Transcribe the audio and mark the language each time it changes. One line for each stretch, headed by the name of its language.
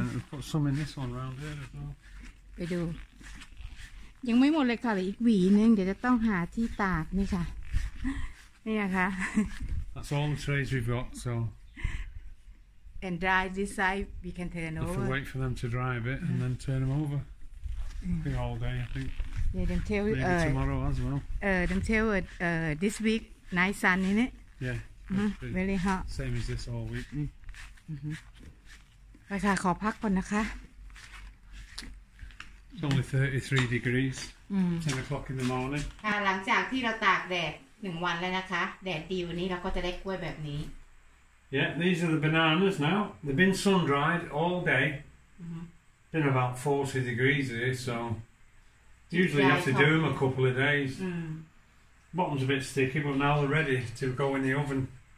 English: put some in this one round here as well.
Thai: ไปดูยังไม่หมดเลยค่ะอีกหวีนึงเดี๋ยวจะต้องหาที่ตากนี่ค่ะนี่ค่ะ
English: That's all the trays we've got, so and dry this side, we can turn over. If we wait for them to dry a bit and then turn them over, be all day, I think. Yeah, them tell maybe tomorrow as well. Them tell this week nice sun, isn't it? Yeah, really hot. Same as this all week.
Thai: ไปค่ะขอพักก่อนนะคะ
English: It's only 33 degrees. 10 o'clock in the morning.
Thai: ค่ะหลังจากที่เราตากแดด1วันแล้วนะคะแดดดีวันนี้เราก็จะได้กล้วยแบบนี้
English: Yeah, these are the bananas now. They've been sun dried all day. Mm-hmm. Been about 40 degrees here, soUsually you have to do them a couple of days. Bottom's a bit sticky, but now they're ready to go in the oven.